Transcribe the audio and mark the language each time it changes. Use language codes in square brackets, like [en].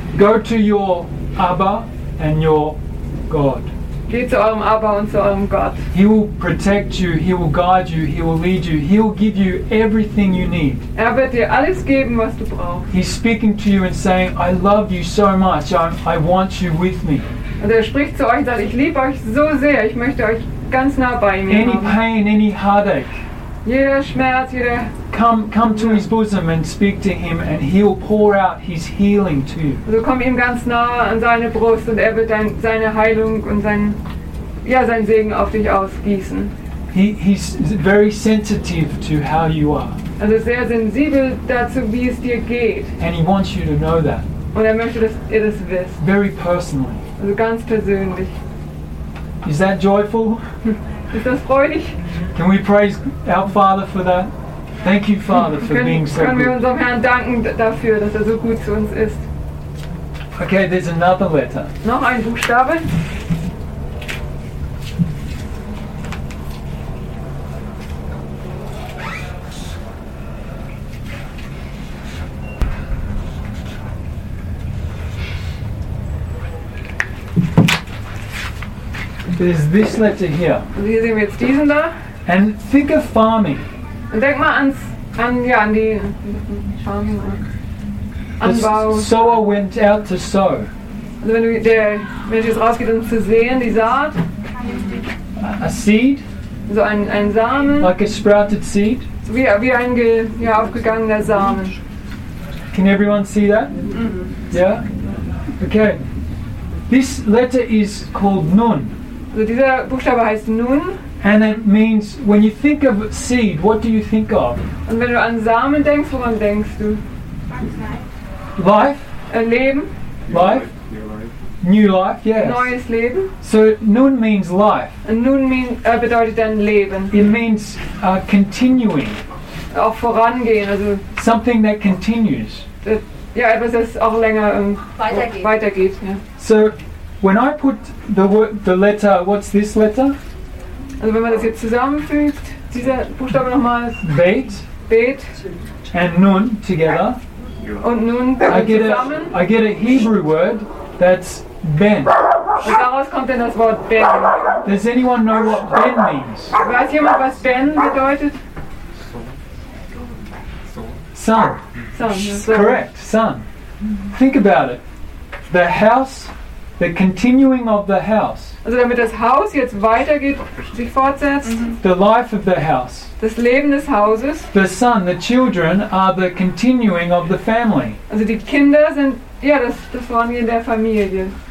[en] go to your Abba and your God. [de] Geht zu eurem Abba und zu eurem Gott. [en] He will protect you, he will guide you, he will lead you, he will give you everything you need. [de] Er wird dir alles geben, was du brauchst. [en] He's speaking to you and saying, I love you so much, I want you with me. [de] Und spricht zu euch und sagt, ich liebe euch so sehr, ich möchte euch ganz nah bei mir. [en] Any pain, any heartache. [de] Jeder Schmerz, jeder [en] come to his bosom and speak to him and he'll pour out his healing to you. [de] Also komm ihm ganz nah an seine Brust und wird seine Heilung und sein Segen auf dich ausgießen. [en] He's very sensitive to how you are. [de] Also sehr sensibel dazu, wie es dir geht. [en] And he wants you to know that. [de] Und möchte, dass ihr das wisst. [en] Very personally. [de] Also ganz persönlich. [en] Is that joyful? [de] Ist das freudig? [en] Can we praise our Father for that? Thank you, Father, for being so good. [de] Können wir unserem Herrn danken dafür, dass so gut zu uns ist? [en] Okay, there's another letter. [de] Noch ein Buchstabe. [en] There's this letter here. [de] Und hier sehen wir jetzt diesen da. [en] And think of farming. [de] Und denk mal an die Farming. Anbau. [en] The sower went out to sow. [de] Also wenn der Mensch jetzt rausgeht, um zu sehen, die Saat. [en] A seed. [de] So ein Samen. [en] Like a sprouted seed. [de] So wie ein aufgegangener Samen. [en] Can everyone see that? Mm-hmm. Yeah? Okay. This letter is called Nun. [de] Also dieser Buchstabe heißt Nun. [en] And it means, when you think of seed, what do you think of? [de] Und wenn du an Samen denkst, woran denkst du? [en] Life. [de] Leben. [en] Life. New life. New life, yes. [de] Neues Leben. [en] So Nun means life. [de] Und Nun bedeutet dann Leben. [en] It means continuing. [de] Auch vorangehen, also. [en] Something that continues. [de] Ja, etwas, das auch länger weitergeht. Ja. [en] So, when I put the letter, what's this letter? [de] Also wenn man das jetzt zusammenfügt, dieser Buchstabe nochmal. [en] Bet. And Nun together. [de] Und Nun zusammen. [en] I get a Hebrew word that's Ben. [de] Und daraus kommt dann das Wort Ben. [en] Does anyone know what Ben means? [de] Weiß jemand, was Ben bedeutet? [en] Son. Son. Correct, son. Think about it. The house. The continuing of the house. [de] Also damit das Haus jetzt weitergeht, sich fortsetzt. Mm-hmm. [en] The life of the house. [de] Das Leben des Hauses. [en] The son, the children are the continuing of the family. [de] Also die Kinder sind das Vorangehen der Familie.